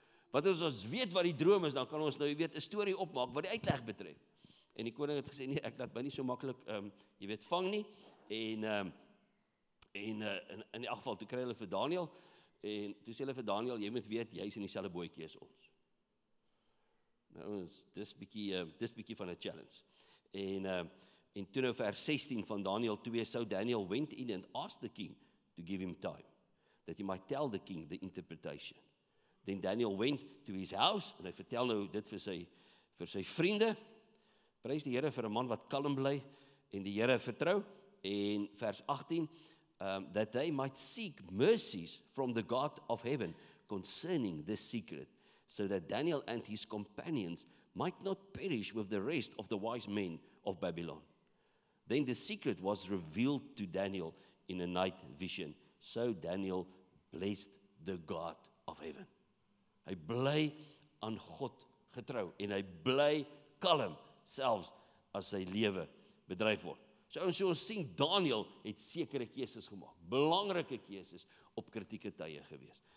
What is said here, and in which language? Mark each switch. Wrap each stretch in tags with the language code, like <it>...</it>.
<af>Wat is, ons weet wat die droom is, dan kan ons nou, jy weet, 'n story opmaak, wat die uitleg betref. En die koning het gesê, nee, ek laat my nie so makkelijk, jy weet, vang nie. En in die geval, toe kry hulle vir Daniël, en toe sê hulle vir Daniël, jy moet weet, jy is in die selfe bootjie as ons. Nou, dis bietjie van 'n challenge. En toe nou vers 16 van Daniël 2,</af> <en>so Daniel went in and asked the king to give him time, that he might tell the king the interpretation. Then Daniel went to his house,</en> <af>en hy vertel nou dit vir sy vriende. Prys die Here vir 'n man wat kalm bly, en die Here vertrou. En vers 18,</af> <en>that they might seek mercies from the God of heaven concerning this secret, so that Daniel and his companions might not perish with the rest of the wise men of Babylon. Then the secret was revealed to Daniel in a night vision. So Daniel blessed the God of heaven.</en> <af>Hy bly aan God getrou, en hy bly kalm, selfs as sy lewe bedreig word. So ons sien, Daniel het sekere keuses gemaak, belangrike keuses op kritieke tye gewees.</af>